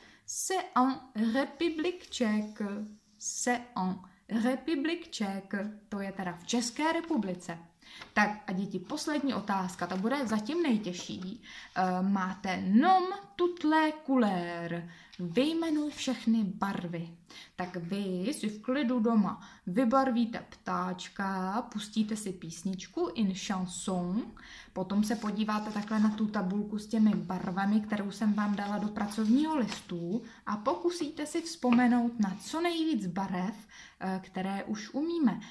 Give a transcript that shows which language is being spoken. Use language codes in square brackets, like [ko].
[fr] C'est en République tchèque. C'est en République tchèque. [cs] To je teda v České republice. Tak a děti, poslední otázka, ta bude zatím nejtěžší. [fr] Máte nom toutes les couleurs. [cs] Vyjmenuj všechny barvy. Tak vy si v klidu doma vybarvíte ptáčka, pustíte si písničku in chanson, potom se podíváte takhle na tu tabulku s těmi barvami, kterou jsem vám dala do pracovního listu, a pokusíte si vzpomenout na co nejvíc barev, které už umíme.